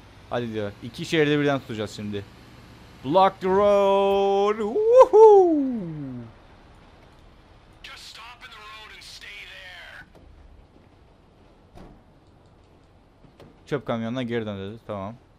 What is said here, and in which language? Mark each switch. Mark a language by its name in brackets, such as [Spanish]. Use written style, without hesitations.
[Turkish] Hadi diyor. İki şehirde birden tutacağız şimdi. [English] Block the road. Woohoo! Just stop in the road and stay there. [Turkish] Çöp kamyonuna geri dön dedi. Tamam.